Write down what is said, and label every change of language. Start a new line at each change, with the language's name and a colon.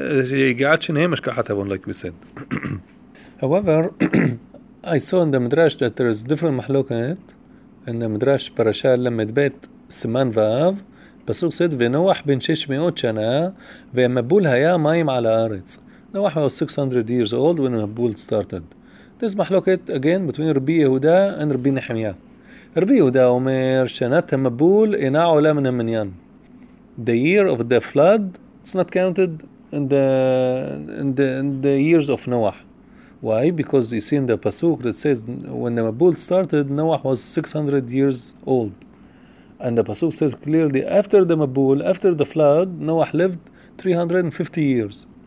English: Like we said. However, I saw in the Midrash that there is different mahlokat. In the Midrash, Parashah Lamed Bet, Siman Vav, Pasuk said,
Hebrew: V'noach ben 600 shana, v'mabul haya mayim ala aretz.
English: Noah was 600 years old when Mabul started. This mahlokit again between Rabbi Yehuda and Rabbi Nehemiah.
Hebrew: רבי יהודה אומר, שנת המבול אינה עולה מן המניין.
English: The year of the flood, it's not counted in the years of Noah. Why? Because you see in the Pasuk that says when the Mabul started, Noah was 600 years old. And the Pasuk says clearly after the Mabul, after the flood, Noah lived 350 years.